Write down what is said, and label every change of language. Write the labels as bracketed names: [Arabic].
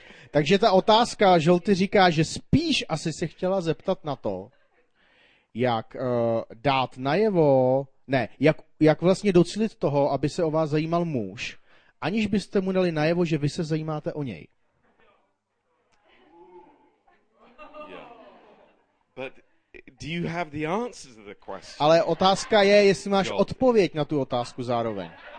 [Czech] Takže ta otázka, Žolty říká, že spíš asi se chtěla zeptat na to, jak dát najevo, ne, jak vlastně docílit toho, aby se o vás zajímal muž, aniž byste mu dali najevo, že vy se zajímáte o něj. [English] Yeah. But do you have the answer to the question? [Czech] Ale otázka je, jestli máš odpověď na tu otázku zároveň.